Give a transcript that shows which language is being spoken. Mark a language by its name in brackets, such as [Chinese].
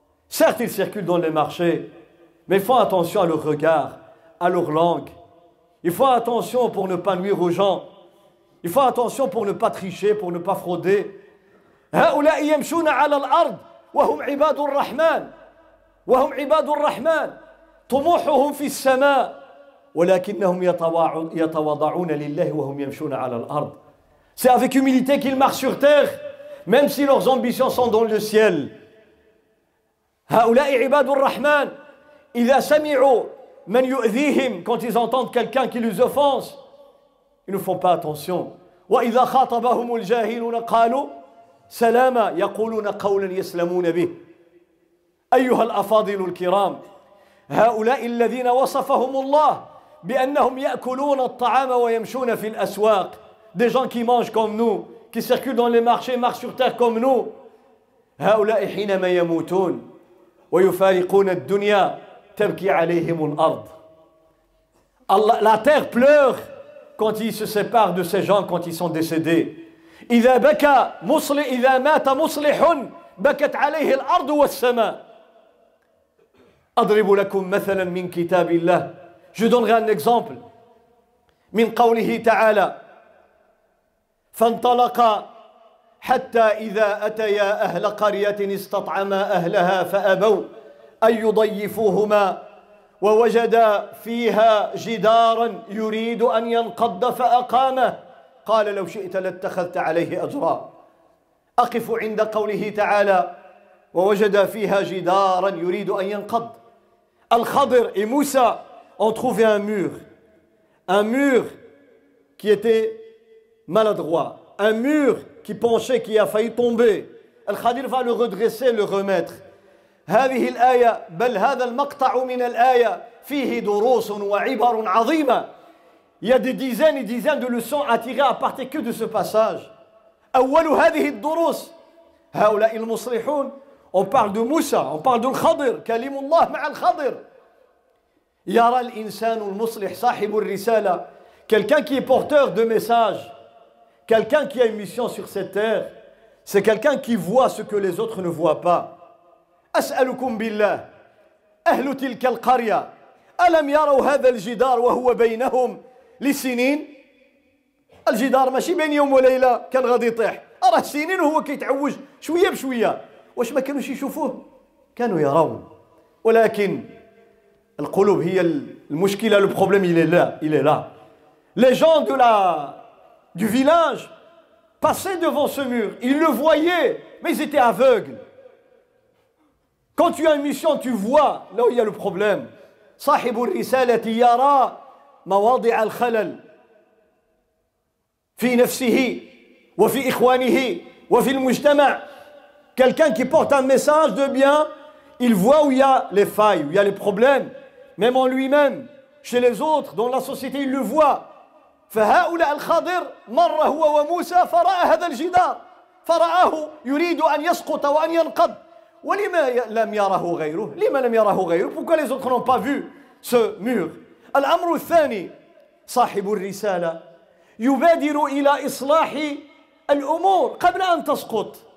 [French] Certes, ils circulent dans les marchés, mais ils font attention à leur regard, à leur langue. Ils font attention pour ne pas nuire aux gens. Ils font attention pour ne pas tricher, pour ne pas frauder. [Arabic] هؤلاء يمشون على الأرض وهم عباد الرحمن وهم عباد الرحمن طموحهم في السماء ولكنهم يتواضعون لله وهم يمشون على الأرض. [French] C'est avec humilité qu'ils marchent sur terre, même si leurs ambitions sont dans le ciel. [Arabic] هؤلاء عباد الرحمن إذا سمعوا من يؤذيهم. [French] Quand ils entendent quelqu'un qui les offense, ils ne font pas attention. [Arabic] وإذا خاطبهم الجاهلون قالوا سلاما يقولون قولا يسلمون به. أيها الأفاضل الكرام, هؤلاء الذين وصفهم الله بأنهم يأكلون الطعام ويمشون في الأسواق. [French] Des gens qui mangent comme nous, qui circulent dans les marchés, marchent sur terre comme nous. [Arabic] هؤلاء حينما يموتون ويفارقون الدنيا تبكي عليهم الأرض. [French] Allah, la terre pleure quand ils se séparent de ces gens, quand ils sont décédés. [Arabic] إذا بكى مصلح إذا مات مصلح بكت عليه الأرض والسماء. أضرب لكم مثلا من كتاب الله. Je donnerai un exemple. من قوله تعالى فانطلق حتى إذا أتيا أهل قرية استطعما أهلها فأبوا أن يضيفوهما ووجدا فيها جدارا يريد أن ينقض فأقامه قال لو شئت لاتخذت عليه أجرا. أقف عند قوله تعالى ووجد فيها جدارا يريد أن ينقض. [French] الخضر et Moussa ont trouvé un mur qui était maladroit, un mur qui penchait, qui a failli tomber. الخضر va le redresser, le remettre. [Arabic] هذه الآية بل هذا المقطع من الآية فيه دروس وعبر عظيمة. [French] Il y a des dizaines et dizaines de leçons à tirer à partir que de ce passage. [Arabic] أول هذه الدروس هؤلاء المصلحون. [French] On parle de Moussa, on parle de الخضر. [Arabic] كلم الله مع الخضر. يرى الإنسان المصلح صاحب الرسالة. [French] Quelqu'un qui est porteur de message, quelqu'un qui a une mission sur cette terre, c'est quelqu'un qui voit ce que les autres ne voient pas. [Arabic] أسألكم بالله أهل تلك القرية ألم يروا هذا الجدار وهو بينهم لسنين. الجدار ماشي بين يوم وليلة كان غادي يطيح, أراه سنين وهو كيتعوج شوية بشوية. واش ما كانوش يشوفوه؟ كانوا يرون. ولكن القلوب هي المشكلة. [French] لو بروبليم إلي لا les gens de la du village passaient devant ce mur, ils le voyaient mais ils étaient aveugles. Quand tu as une mission, tu vois là où il y a le problème. [Arabic] صاحب الرسالة يرى مواضع الخلل في نفسه وفي إخوانه وفي المجتمع. [French] Quelqu'un qui porte un message de bien, il voit où il y a les failles, où il y a les problèmes, même en lui-même, chez les autres, dans la société, il le voit. [Arabic] فهؤلاء الخضر مر هو وموسى فرأى هذا الجدار فرآه يريد أن يسقط وأن ينقض ولما لم يره غيره لما لم يره غيره [French] pourquoi les autres n'ont pas vu ce mur. [Arabic] الأمر الثاني صاحب الرسالة يبادر إلى إصلاح الأمور قبل أن تسقط.